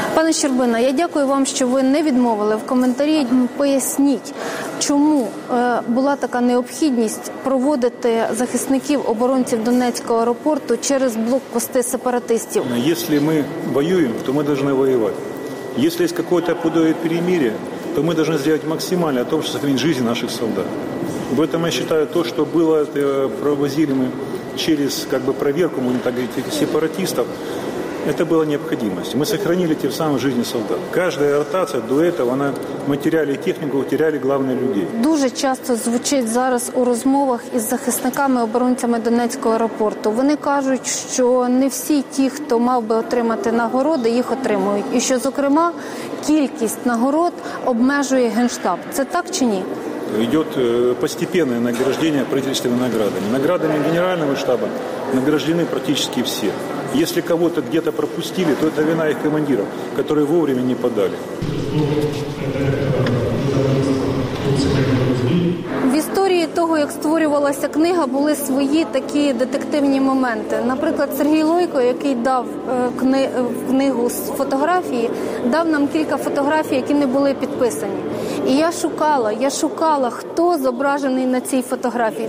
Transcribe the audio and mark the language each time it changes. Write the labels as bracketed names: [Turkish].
[Ukrainian] Щербина, я дякую вам, що ви не відмовили в коментарі. Поясніть, чому була така необхідність проводити захисників оборонців Донецького аеропорту через блокпости сепаратистів? Якщо ми воюємо, то ми повинні воювати. Якщо є якесь подобає перемир'я, то ми повинні зробити максимально для того, щоб зберігати життя наших солдат. В цьому я вважаю, те, що було провозили ми через якби перевірку, можна так говорити, сепаратистів. [Russian] Это была необходимость. Мы сохранили тем самым жизни солдат. Каждая ротация до этого, она, мы теряли технику, теряли главных людей. [Ukrainian] Дуже часто звучить зараз у розмовах із захисниками, оборонцями Донецького аеропорту. Вони кажуть, що не всі ті, хто мав би отримати нагороди, їх отримують. І що, зокрема, кількість нагород обмежує Генштаб. Це так чи ні? [Russian] Идет постепенное награждение правительственными наградами. Наградами генерального штаба награждены практически все. Если кого-то где-то пропустили, то это вина их командиров, которые вовремя не подали. [Ukrainian] В історії того, як створювалася книга, були свої такі детективні моменти. Наприклад, Сергій Лойко, який дав книгу з фотографії, дав нам кілька фотографій, які не були підписані. І я шукала, хто зображений на цій фотографії.